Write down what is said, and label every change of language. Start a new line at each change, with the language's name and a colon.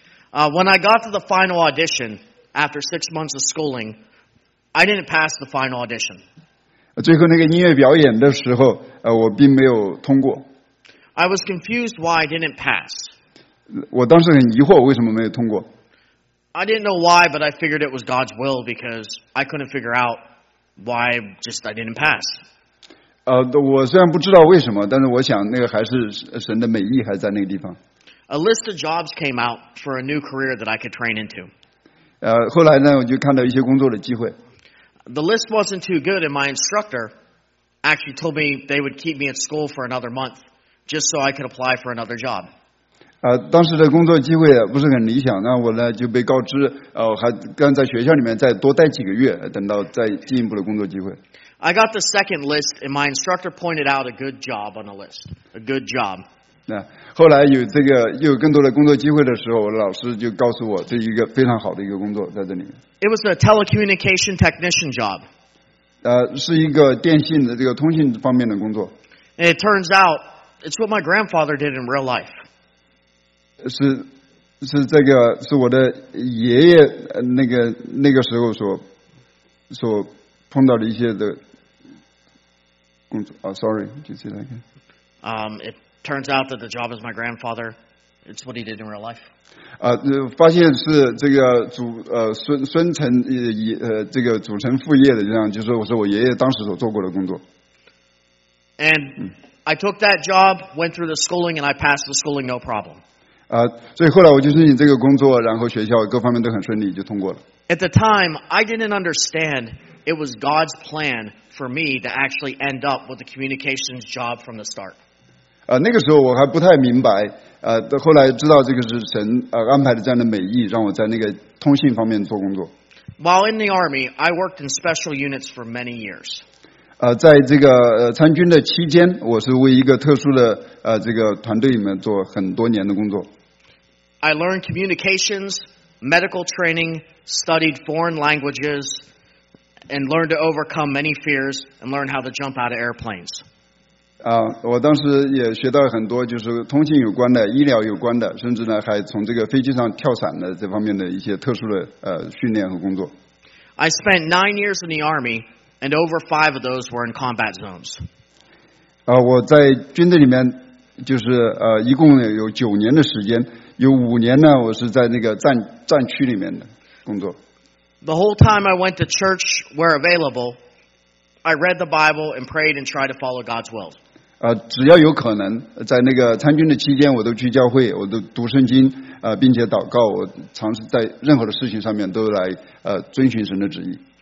English: When I got to the final audition after 6 months of schooling, I didn't pass the final audition.
Chinese: 最后那个音乐表演的时候，我并没有通过。
English: I was confused why I didn't pass.
Chinese: 我当时很疑惑为什么没有通过。
English: I didn't know why, but I figured it was God's will because I couldn't figure out why just I didn't pass.
Chinese: 我虽然不知道为什么，但是我想那个还是神的美意还在那个地方。
English: A list of jobs came out for a new career that I could train into.
Chinese: 后来呢，我就看到一些工作的机会。
English: The list wasn't too good, and my instructor actually told me they would keep me at school for another month just so I could apply for another job.
Chinese: 当时的工作机会不是很理想，那我呢就被告知，还刚在学校里面再多待几个月，等到再进一步的工作机会。
English: I got the second list, and my instructor pointed out a good job on the list, a good job.
Chinese: 后来有这个又有更多的工作机会的时候，我的老师就告诉我，这一个非常好的一个工作在这里。
English: It was a telecommunication technician job.
Chinese: 是一个电信的这个通信方面的工作。
English: And it turns out it's what my grandfather did in real life.
Chinese: 是这个是我的爷爷那个时候所碰到的一些的工作啊、
English: oh, ，sorry，
Chinese: 就这样。
English: It turns out that the job is my grandfather. It's what he did in real life.
Chinese: 发现是这个孙承这个祖承父业的这样，就是我爷爷当时所做过的工作。
English: And I took that job, went through the schooling, and I passed the schooling no problem.
Chinese: 所以后来我就申请这个工作，然后学校各方面都很顺利，就通过了。
English: At the time, I didn't understand it was God's plan for me to actually end up with a communications job from the start.
Chinese: 那个时候我还不太明白，后来知道这个是神安排的这样的美意，让我在那个通信方面做工作。
English: While in the army, I worked in special units for many years.
Chinese: 在这个参军的期间，我是为一个特殊的这个团队里面做很多年的工作。
English: I learned communications, medical training, studied foreign languages, and learned to overcome many fears and learn how to jump out of airplanes.
Chinese: 我当时也学到很多，就是通信有关的、医疗有关的，甚至呢还从这个飞机上跳伞的这方面的一些特殊的训练和工作。
English: I spent 9 years in the army. And over 5 of those were in combat zones.
Chinese: 我在军队里面就是一共有9年的时间，有5年呢我是在那个战区里面的工作。
English: The whole time I went to church where available, I read the Bible and prayed and tried to follow God's will.
Chinese: 只要有可能，在那个参军的期间，我都去教会，我都读圣经，并且祷告，我尝试在任何的事情上面都来遵循神的旨意。